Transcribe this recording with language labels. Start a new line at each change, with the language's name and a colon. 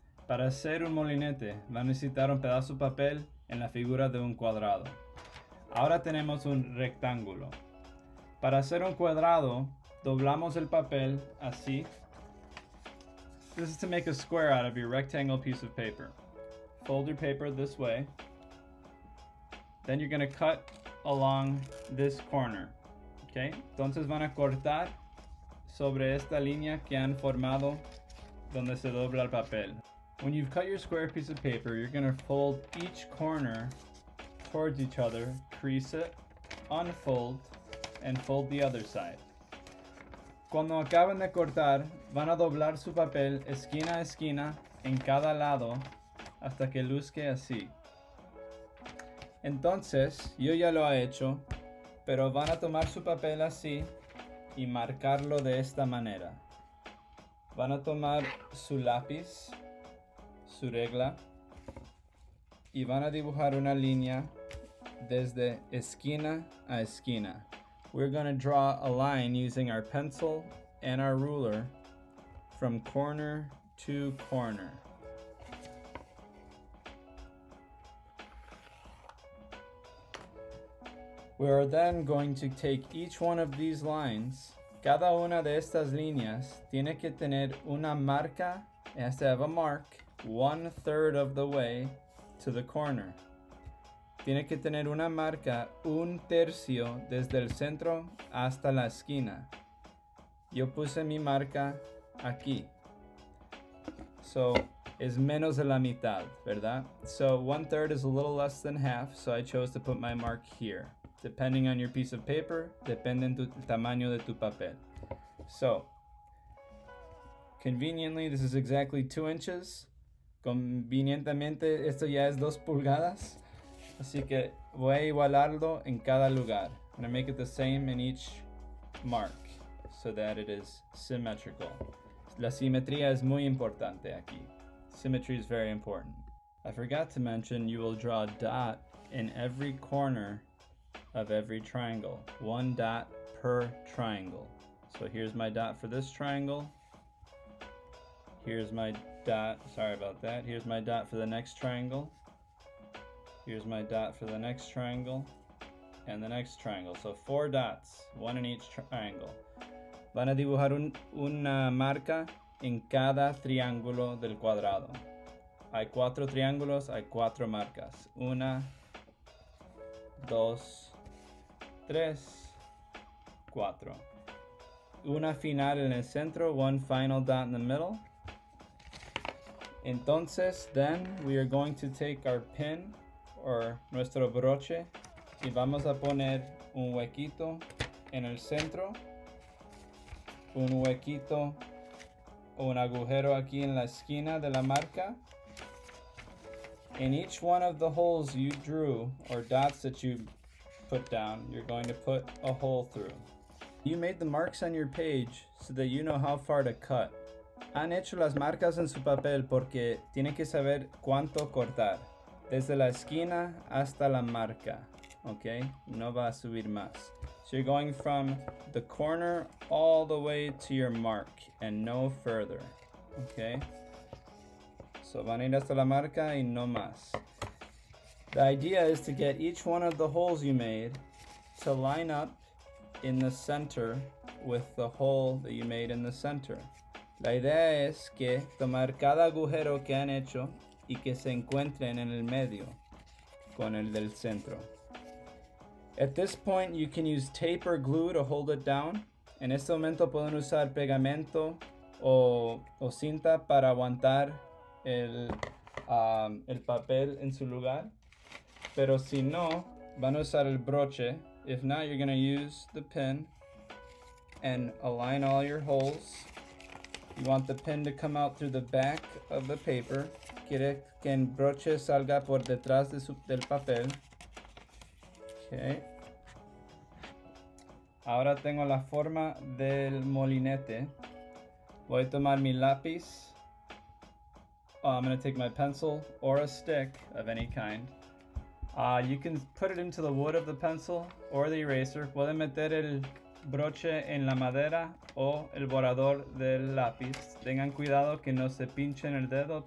Spanish: Para hacer un molinete, va a necesitar un pedazo de papel en la figura de un cuadrado. Ahora tenemos un rectángulo. Para hacer un cuadrado, doblamos el papel así.
English: This is to make a square out of your rectangle piece of paper. Fold your paper this way. Then you're gonna cut along this corner, okay?
Spanish: Entonces van a cortar sobre esta línea que han formado donde se dobla el papel.
English: When you've cut your square piece of paper, you're gonna fold each corner towards each other, crease it, unfold, and fold the other side.
Spanish: Cuando acaben de cortar, van a doblar su papel esquina a esquina en cada lado hasta que luzque así. Entonces, yo ya lo he hecho, pero van a tomar su papel así y marcarlo de esta manera. Van a tomar su lápiz, su regla, y van a dibujar una línea desde esquina a esquina.
English: We're going to draw a line using our pencil and our ruler from corner to corner. We are then going to take each one of these lines.
Spanish: Cada una de estas líneas tiene que tener una marca,
English: has to have a mark, 1/3 of the way to the corner.
Spanish: Tiene que tener una marca 1/3 desde el centro hasta la esquina. Yo puse mi marca aquí. So, es menos de la mitad, ¿verdad?
English: So, 1/3 is a little less than half, so I chose to put my mark here. Depending on your piece of paper,
Spanish: depende en el tamaño de tu papel.
English: So, conveniently, this is exactly 2 inches.
Spanish: Convenientemente, esto ya es 2 pulgadas. Así que voy a igualarlo en cada lugar.
English: I'm gonna make it the same in each mark so that it is symmetrical.
Spanish: La simetría es muy importante aquí.
English: Symmetry is very important. I forgot to mention you will draw a dot in every corner of every triangle. One dot per triangle. So here's my dot for this triangle. Here's my dot, sorry about that. Here's my dot for the next triangle. Here's my dot for the next triangle and the next triangle. So 4 dots, 1 in each triangle.
Spanish: Van a dibujar una marca en cada triángulo del cuadrado. Hay 4 triángulos, hay 4 marcas. 1, 2, 3, 4. Una final en el centro,
English: 1 final dot in the middle.
Spanish: Entonces,
English: then we are going to take our pin or
Spanish: nuestro broche y vamos a poner un huequito en el centro, un huequito o un agujero aquí en la esquina de la marca.
English: In each one of the holes you drew or dots that you put down, you're going to put a hole through. You made the marks on your page so that you know how far to cut.
Spanish: Han hecho las marcas en su papel porque tiene que saber cuánto cortar. Desde la esquina hasta la marca, okay? No va a subir más.
English: So you're going from the corner all the way to your mark and no further, okay?
Spanish: So van a ir hasta la marca y no más.
English: The idea is to get each one of the holes you made to line up in the center with the hole that you made in the center.
Spanish: La idea es que tomar cada agujero que han hecho y que se encuentren en el medio con el del centro.
English: At this point, you can use tape or glue to hold it down.
Spanish: En este momento pueden usar pegamento o cinta para aguantar el papel en su lugar. Pero si no, van a usar el broche.
English: If not, you're gonna use the pin and align all your holes. You want the pin to come out through the back of the paper.
Spanish: Quiere que el broche salga por detrás del papel. Okay. Ahora tengo la forma del molinete. Voy a tomar mi lápiz.
English: I'm going to take my pencil or a stick of any kind. You can put it into the wood of the pencil or the eraser.
Spanish: Puede meter el broche en la madera o el borrador del lápiz. Tengan cuidado que no se pinchen el dedo.